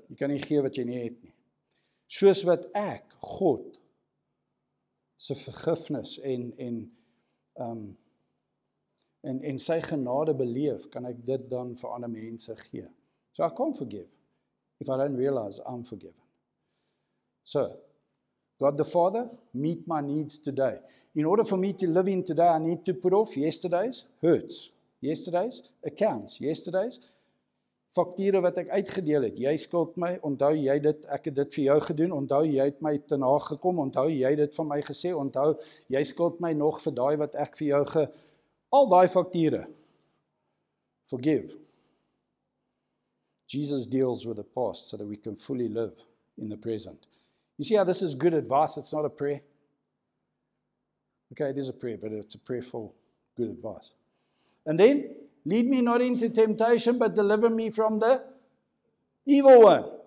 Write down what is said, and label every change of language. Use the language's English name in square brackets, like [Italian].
[Afrikaans] Jy kan nie gee wat jy nie het nie. Soos wat ek God se vergifnis en sy genade beleef, kan ek dit dan vir ander mense gee. [English] So I can't forgive if I don't realize I'm forgiven. So God the Father, meet my needs today. In order for me to live in today, I need to put off yesterday's hurts, yesterday's accounts, yesterday's fakture [Afrikaans] wat ek uitgedeel het. Jy skuld my, onthou jy dit, ek het dit vir jou gedoen, onthou jy het my te na gekom, onthou jy dit van my gesê, onthou jy skuld my nog vir daai wat ek vir jou ge... Al daai fakture. Forgive. [English] Jesus deals with the past so that we can fully live in the present. You see how this is good advice? It's not a prayer. Okay, it is a prayer, but it's a prayer for good advice. And then, lead me not into temptation, but deliver me from the evil one.